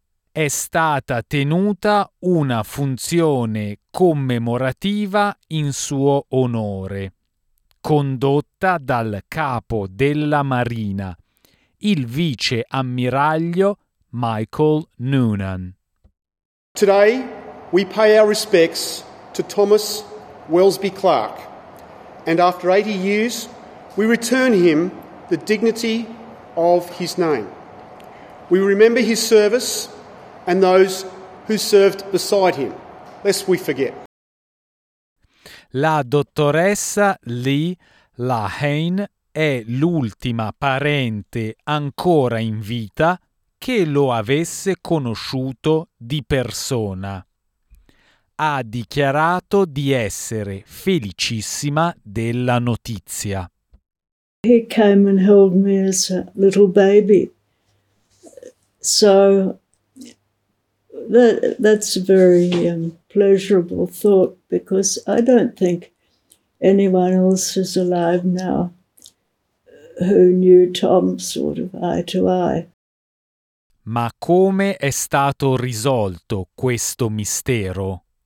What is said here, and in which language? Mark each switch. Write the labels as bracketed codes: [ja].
[it] È stata tenuta una funzione commemorativa in suo onore, condotta dal capo della Marina, il vice ammiraglio Michael Noonan. [en] Today we pay our respects to Thomas Welsby Clark, and after 80 years we return him the dignity of his name. We remember his service and those who served beside him, lest we forget. [it] La dottoressa Lee Lahane è l'ultima parente ancora in vita che lo avesse conosciuto di persona. Ha dichiarato di essere felicissima della notizia. [en] He came and held me as a little baby. So that's a very pleasurable thought, because I don't think anyone else is alive now who knew Tom sort of eye to eye. [it] Ma come è stato risolto questo mistero?